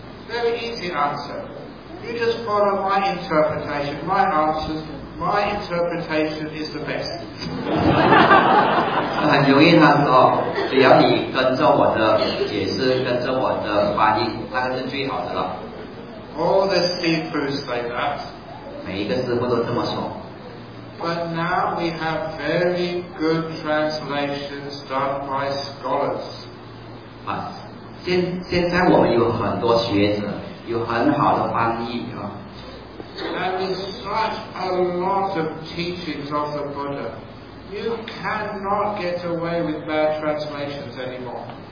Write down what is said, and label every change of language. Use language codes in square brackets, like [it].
[en] ？Very easy answer. You just follow my interpretation. My answer, my interpretation is the best. [zh] 很容易，他说只要你跟着我的解释，跟着我的翻译，那个是最好的了。 [en] All the sifus like that. [zh] 每一个师傅都这么说。 [en] But now we have very good translations done by scholars. [zh] 啊，现在我们有很多学者，有很好的翻译啊。 [en] And there's such a lot of teachings of the Buddha. You cannot get away with bad translations anymore.